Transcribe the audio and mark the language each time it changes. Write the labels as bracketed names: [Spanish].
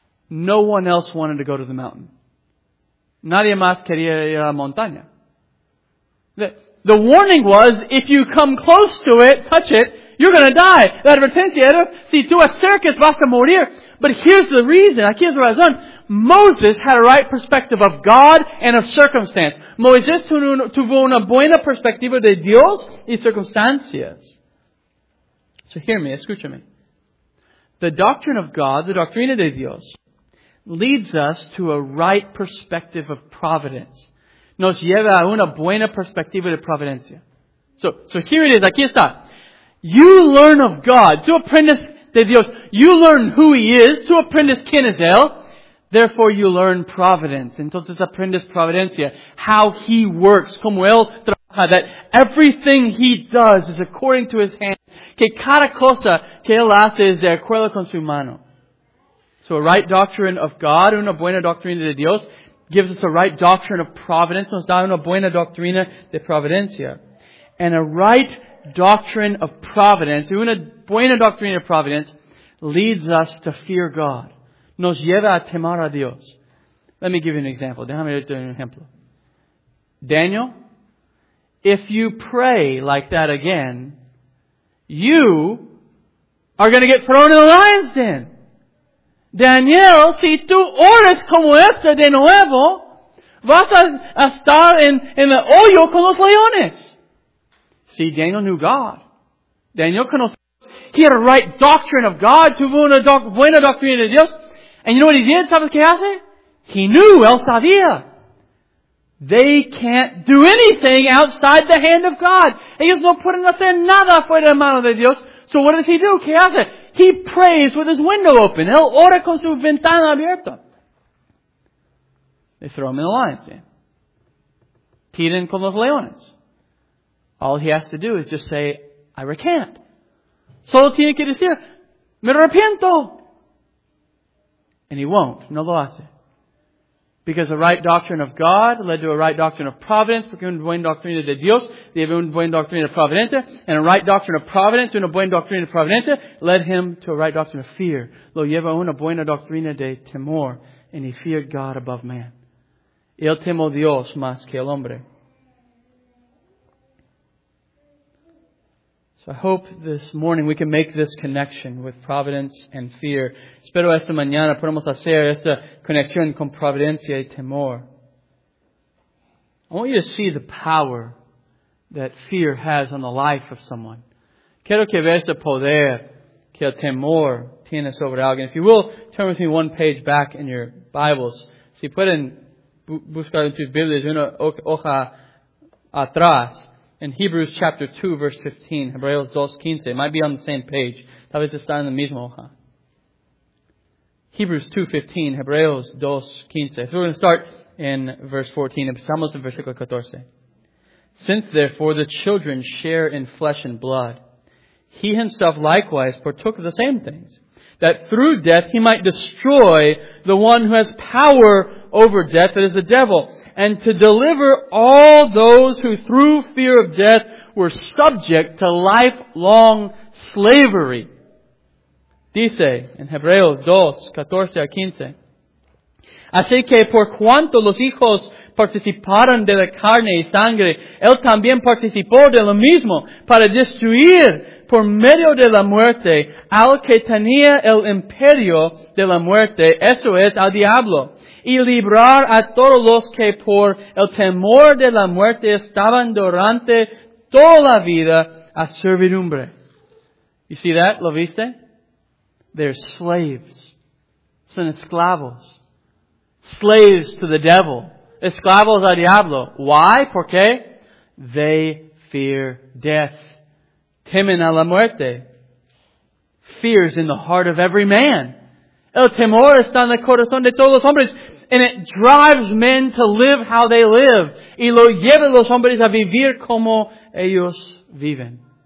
[English] No one else wanted to go to the mountain. [Spanish] Nadie más quería ir a la montaña. [English] The warning was, if you come close to it, touch it, you're going to die. [Spanish] La advertencia era, si tú acercas, vas a morir. [English] But here's the reason. [Spanish] Aquí es la razón. [English] Moses had a right perspective of God and of circumstance. [Spanish] Moisés tuvo una buena perspectiva de Dios y circunstancias. [English] So hear me, [Spanish] escúchame. [English] The doctrine of God, the [Spanish] doctrina de Dios, [English] leads us to a right perspective of providence. [Spanish] Nos lleva a una buena perspectiva de providencia. [English] So here it is, [Spanish] aquí está. [English] You learn of God. [Spanish] Tú aprendes de Dios. [English] You learn who He is. [Spanish] Tú aprendes quién es Él. [English] Therefore you learn providence. [Spanish] Entonces aprendes providencia. [English] How He works. [Spanish] Como Él trabaja. [English] That everything He does is according to His hand. [Spanish] Que cada cosa que Él hace es de acuerdo con su mano. [English] So a right doctrine of God, [Spanish] una buena doctrina de Dios, [English] gives us a right doctrine of providence, [Spanish] nos da una buena doctrina de providencia. [English] And a right doctrine of providence, [Spanish] una buena doctrina de providence, [English] leads us to fear God. [Spanish] Nos lleva a temer a Dios. [English] Let me give you an example. [Spanish] Déjame darte un ejemplo. [English] Daniel, if you pray like that again, you are going to get thrown in the lion's den. [Spanish] Daniel, si tú oras como esta de nuevo, vas a estar en el hoyo con los leones. [English] Si Daniel knew God. [Spanish] Daniel conoció. [English] He had a right doctrine of God. [Spanish] Tuvo una buena doctrina de Dios. [English] And you know what he did? [Spanish] ¿Sabes qué hace? [English] He knew. [Spanish] Él sabía. [English] They can't do anything outside the hand of God. [Spanish] Ellos no pueden hacer nada fuera de la mano de Dios. [English] So what does he do? [Spanish] ¿Qué hace? [English] He prays with his window open. [Spanish] Él ora con su ventana abierta. [English] They throw him in the lion's den. [Spanish] Tiran con los leones. [English] All he has to do is just say, I recant. [Spanish] Solo tiene que decir, me arrepiento. [English] And he won't. [Spanish] No lo hace. [English] Because a right doctrine of God led to a right doctrine of providence, [Spanish] porque una buena doctrina de Dios lleva una buena doctrina de providencia, [English] and a right doctrine of providence, [Spanish] una buena doctrina de providencia, [English] led him to a right doctrine of fear. [Spanish] Lo lleva una buena doctrina de temor, [English] and he feared God above man. [Spanish] Él temó Dios más que el hombre. [English] So I hope this morning we can make this connection with providence and fear. [Spanish] Espero esta mañana podamos hacer esta conexión con providencia y temor. [English] I want you to see the power that fear has on the life of someone. [Spanish] Quiero que veas el poder que el temor tiene sobre alguien. [English] If you will, turn with me one page back in your Bibles. [Spanish] Si pueden buscar en tus Biblias una hoja atrás. [English] In Hebrews chapter 2, verse 15, Hebreos 2:15, might be on the same page. [Spanish] Tal vez está en el mismo hoja. Hebrews 2:15, Hebreos 2:15. [English] So we're going to start in verse 14. [Spanish] Empezamos en versículo 14. [English] Since therefore the children share in flesh and blood, he himself likewise partook of the same things, that through death he might destroy the one who has power over death, that is the devil, and to deliver all those who through fear of death were subject to lifelong slavery. [Spanish] Dice en Hebreos 2:14-15. Así que por cuanto los hijos participaron de la carne y sangre, él también participó de lo mismo para destruir por medio de la muerte al que tenía el imperio de la muerte, eso es, al diablo, y librar a todos los que por el temor de la muerte estaban durante toda la vida a servidumbre. [English] You see that? [Spanish] ¿Lo viste? [English] They're slaves. [Spanish] Son esclavos. [English] Slaves to the devil. [Spanish] Esclavos al diablo. [English] Why? [Spanish] ¿Por qué? [English] They fear death. [Spanish] Temen a la muerte. [English] Fear's in the heart of every man. [Spanish] El temor está en el corazón de todos los hombres. [English] And it drives men to live how they live. [Spanish] Y lo lleva a los hombres a vivir como ellos viven.